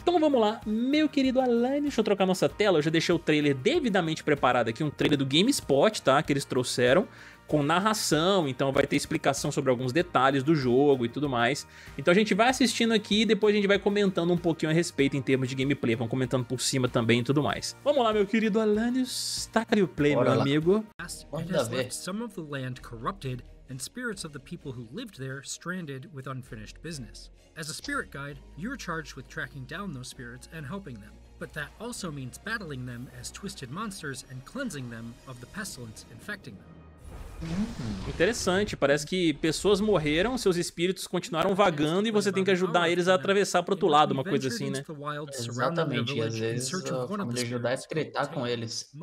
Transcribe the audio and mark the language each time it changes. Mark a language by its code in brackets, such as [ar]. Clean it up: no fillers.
[pt] Então vamos lá, meu querido Alan, deixa eu trocar nossa tela. Eu já deixei o trailer devidamente preparado aqui, um trailer do GameSpot, tá, que eles trouxeram com narração, então vai ter explicação sobre alguns detalhes do jogo e tudo mais. Então a gente vai assistindo aqui e depois a gente vai comentando um pouquinho a respeito em termos de gameplay. Vão comentando por cima também e tudo mais. Vamos lá, meu querido Alanios, taca ali o play. Bora, meu lá. Amigo. Vamos ver. [en] Some of the land corrupted and spirits of the people who lived there stranded with unfinished business. As a spirit guide, you're charged with tracking down those spirits and helping them. But that also means battling them as twisted monsters and cleansing them of the pestilence infecting them. [pt] Interessante, parece que pessoas morreram, seus espíritos continuaram vagando e você tem que ajudar eles a atravessar para o outro lado, uma coisa assim, né? Exatamente, e às vezes me ajudar a escretar com eles,